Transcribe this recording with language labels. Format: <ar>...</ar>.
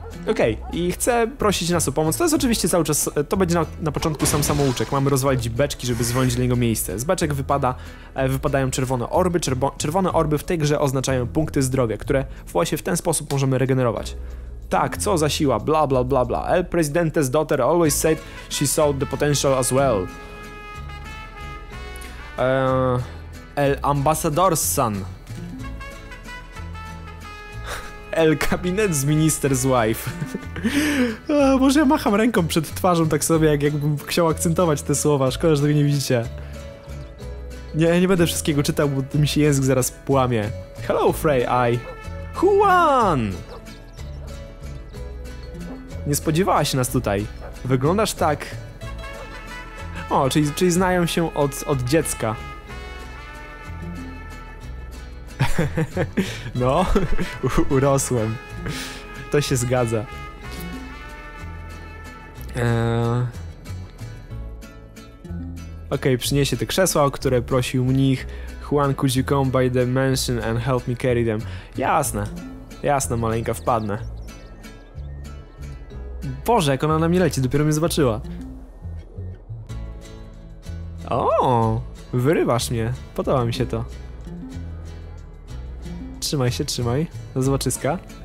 <pl>Okej, i chcę prosić nas o pomoc. To jest oczywiście cały czas, to będzie na początku sam samouczek. Mamy rozwalić beczki, żeby zwolnić dla niego miejsce. Z beczek wypadają czerwone orby. Czerwone orby w tej grze oznaczają punkty zdrowia, które właśnie w ten sposób możemy regenerować. Tak, co za siła, bla bla bla bla.</pl> <en>El Presidente's daughter always said she saw the potential as well. El Ambassador's son. El Cabinet's minister's wife.</en> <pl>Może ja macham ręką przed twarzą tak sobie, jakbym chciał akcentować te słowa. Szkoda, że tego nie widzicie. Nie, ja nie będę wszystkiego czytał, bo mi się język zaraz płamie. Hello, Frey, I... Juan! Nie spodziewałaś się nas tutaj. Wyglądasz tak... O, czyli znają się od dziecka. No, urosłem. To się zgadza. Eee... Okej, przyniesie te krzesła, o które prosił mnich.</pl> <en>Juan, could you come by the mansion and help me carry them?</en> <pl>Jasne, jasne, maleńka, wpadnę. Boże, jak ona na mnie leci, dopiero mnie zobaczyła. O, wyrywasz mnie, podoba mi się to. Trzymaj się, trzymaj, do zobaczyska.</pl>